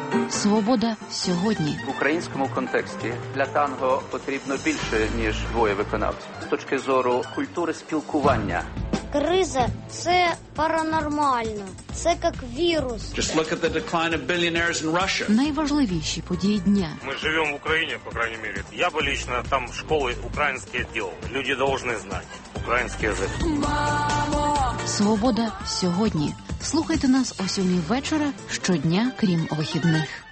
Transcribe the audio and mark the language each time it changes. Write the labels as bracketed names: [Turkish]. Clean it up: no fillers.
[Ukrainian] Свобода сьогодні. В українському контексті для танго потрібно більше, ніж 2 виконавців. З точки зору культури спілкування. Криза – це паранормально. Це як вірус. [English] Just look at the decline of billionaires in Russia. [Ukrainian] Найважливіші події дня. Ми живемо в Україні, по крайній мірі. Я би лично там школи українські діли. Люди повинні знати український язик. Мамо! Свобода сьогодні. Слухайте нас о 7 вечора щодня, крім вихідних.